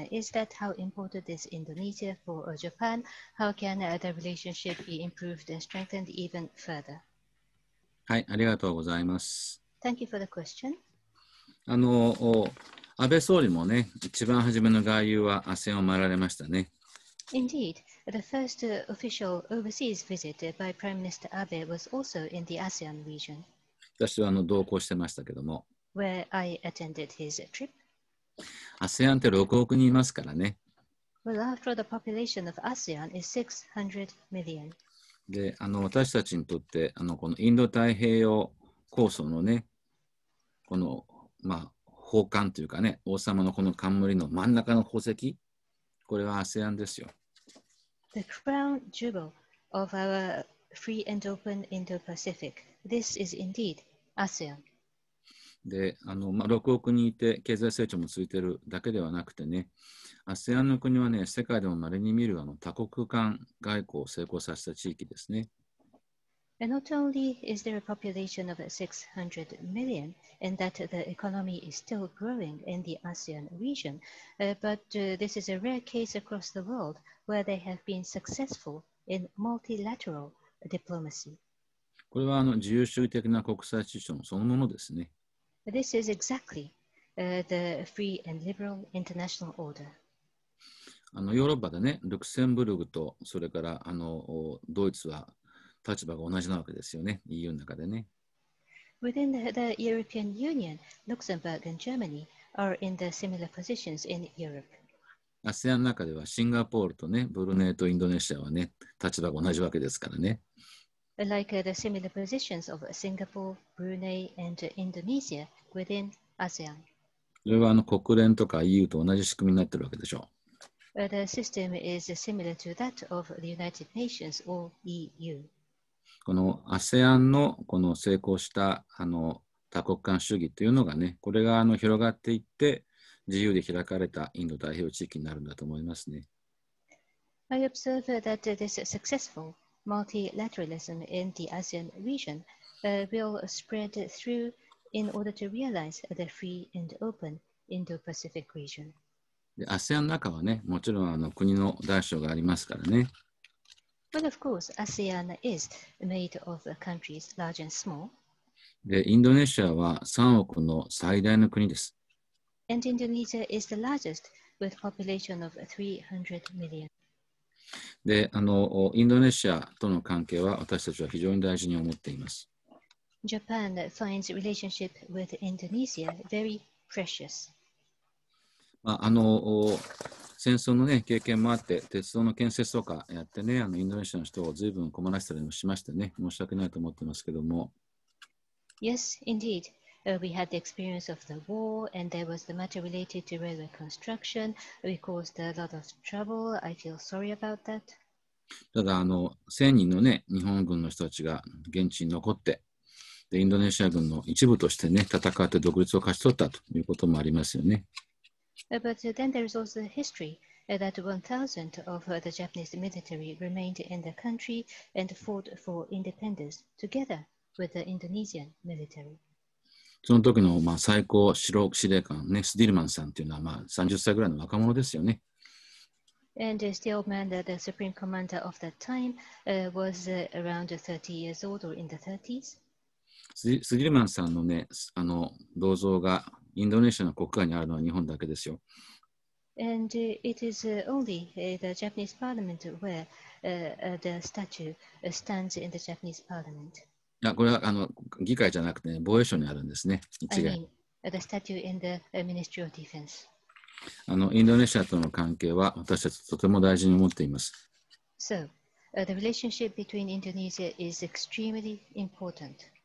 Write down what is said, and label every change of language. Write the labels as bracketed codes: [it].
[en] Is that how important is Indonesia for Japan? How can the relationship be improved and strengthened even further? [ja] はい、ありがとうございます。 [en] Thank you for the question. [ja] 安倍総理もね、一番初めの外遊は ASEAN を回られましたね。 [en] Indeed, the first official overseas visit by Prime Minister Abe was also in the ASEAN region. [ja] 私は同行してましたけども。 [en] Where I attended his trip. [ja] ASEAN って6億人いますからね。 [en] Well, after all, the population of ASEAN is 600 million. [ja] で、私たちにとって、このインド太平洋構想のね、この、まあ、宝冠というかね、王様のこの冠の真ん中の宝石。これは ASEAN ですよ。 [en] The crown jewel of our free and open Indo-Pacific. This is indeed ASEAN. [ja] で、まあ、6億人いて経済成長もついてるだけではなくてね、ASEAN の国はね、世界でも稀に見る多国間外交を成功させた地域ですね。 [en] And not only is there a population of 600 million and that the economy is still growing in the ASEAN region, but this is a rare case across the world where they have been successful in multilateral diplomacy. [ja] これは自由主義的な国際秩序そのものですね。 [en] This is exactly the free and liberal international order. [ja] ヨーロッパでね、ルクセンブルグとそれからドイツは立場が同じなわけですよね、EU の中でね。 [en] Within the European Union, Luxembourg and Germany are in the similar positions in Europe. [ja] ASEAN の中ではシンガポールとね、ブルネイとインドネシアはね、立場が同じわけですからね。 [en] Like the similar positions of Singapore, Brunei and Indonesia within ASEAN. [ja] それは国連とか EU と同じ仕組みになってるわけでしょう。 [en] The system is similar to that of the United Nations or EU. [ja] この ASEAN のこの成功した多国間主義というのがね、これが広がっていって自由で開かれたインド太平洋地域になるんだと思いますね。 [en] I observe that this successful multilateralism in the ASEAN region will spread through in order to realize the free and open Indo-Pacific region. [ja] ASEAN の中はね、もちろんあの国の大小がありますからね。 [en] But of course, ASEAN is made of countries large and small. [ja] で、インドネシアは3億の最大の国です。 [en] And Indonesia is the largest with population of 300 million. [ja] で、あの、インドネシアとの関係は私たちは非常に大事に思っています。 [en] Japan finds relationship with Indonesia very precious. [ja] まあ、あの、戦争の、ね、経験もあって、鉄道の建設とかやってね、あのインドネシアの人を随分困らせたりもしましたね。申し訳ないと思ってますけども。 [en] Yes, indeed. We had the experience of the war, and there was the matter related to railway construction. We caused a lot of trouble. I feel sorry about that. [ja] ただ、あの、1000人のね、日本軍の人たちが現地に残って、で、インドネシア軍の一部としてね、戦って独立を勝ち取ったということもありますよね。 [en] But then there is also the history that 1,000 of the Japanese military remained in the country and fought for independence together with the Indonesian military. [ja] その時のまあ最高司令官、ね、スディルマンさんというのはまあ30歳ぐらいの若者ですよね。 [en] And still, man, the supreme commander of that time was around 30 years old or in the 30s. [ja] スディルマンさんのね、あの銅像がインドネシアの国会にあるのは日本だけですよ。 [en] And it is only the Japanese parliament where the statue stands in the Japanese parliament. [ja] これはあの議会じゃなくて、ね、防衛省にあるんですね。 [en] I mean, the statue in the Ministry of Defense. [ja] あのインドネシアとの関係は私たちとても大事に思っています。 [en] So, the relationship between Indonesia is extremely important.